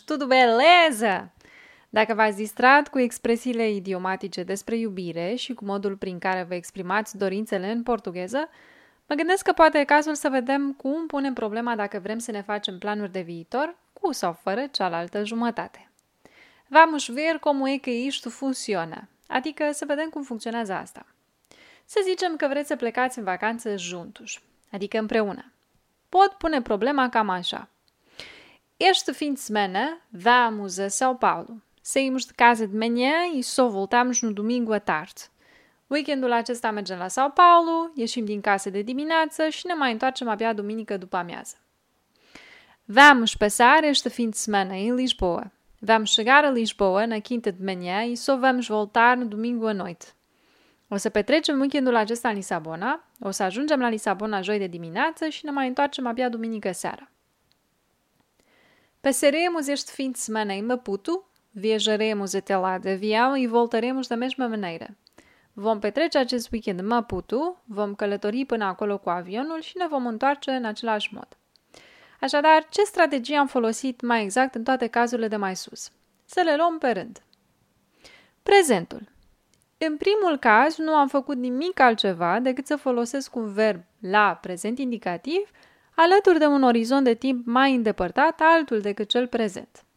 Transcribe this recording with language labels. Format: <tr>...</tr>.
<pt>Tudo beleza!</pt> <ro>Dacă v-ați distrat cu expresiile idiomatice despre iubire și cu modul prin care vă exprimați dorințele în portugheză, mă gândesc că poate e cazul să vedem cum punem problema dacă vrem să ne facem planuri de viitor, cu sau fără cealaltă jumătate.</ro> <pt>Vamos ver como é que isto funciona,</pt> <ro>adică să vedem cum funcționează asta. Să zicem că vreți să plecați în vacanță juntos, adică împreună. Pot pune problema cam așa.</ro> <pt>Este fim de semana, vamos a São Paulo. Saímos de casa de manhã e só voltamos no domingo à tarde.</pt> <ro>Weekendul acesta mergem la São Paulo, ieșim din casă de dimineață și ne mai întoarcem abia duminică după amiază.</ro> <pt>Vamos passar este fim de semana em Lisboa. Vamos chegar a Lisboa na quinta de manhã e só vamos voltar no domingo à noite.</pt> <ro>O să petrecem weekendul acesta în Lisabona, o să ajungem la Lisabona joi de dimineață și ne mai întoarcem abia duminică seara.</ro> <pt>Passaremos este fim de semana em Maputo, viajaremos até lá de avião e voltaremos da mesma maneira.</pt> <ro>Vom petrece acest weekend în Maputo, vom călători până acolo cu avionul și ne vom întoarce în același mod. Așadar, ce strategie am folosit mai exact în toate cazurile de mai sus? Să le luăm pe rând. Prezentul. În primul caz, nu am făcut nimic altceva decât să folosesc un verb la prezent indicativ alături de un orizont de timp mai îndepărtat, altul decât cel prezent.</ro>